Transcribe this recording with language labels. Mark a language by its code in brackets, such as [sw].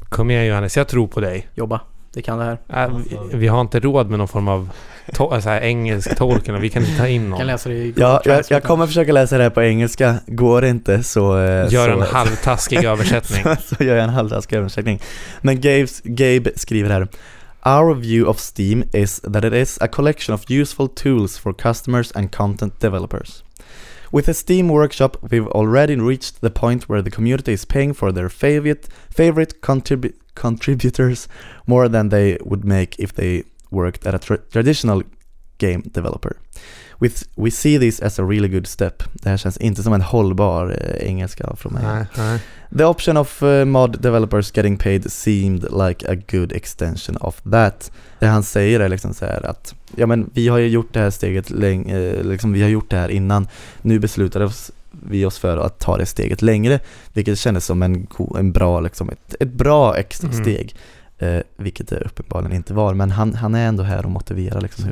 [sv] Kom igen Johannes, jag tror på dig. Jobba, det kan det här. Vi har inte råd med någon form av engelsk tolken, vi kan inte ta in någon. Kan läsa det i jag kommer försöka läsa det här på engelska, går det inte så gör så, en halvtaskig översättning. Så gör jag en halvtaskig översättning. Men Gabe skriver här, [en] our view of Steam is that it is a collection of useful tools for customers and content developers. With the Steam Workshop, we've already reached the point where the community is paying for their favorite contributors more than they would make if they worked at a traditional game developer. We see this as a really good step. [sv] Det här känns inte som en hållbar engelska från mig. Nej. [en] The option of mod developers getting paid seemed like a good extension of that. [sv] Det han säger är liksom så här att ja, men vi har ju gjort det här steget liksom vi har gjort det här innan. Nu beslutade vi oss för att ta det steget längre, vilket kändes som en bra liksom ett bra extra steg. Vilket det uppenbarligen inte var. Men han är ändå här och motiverar liksom.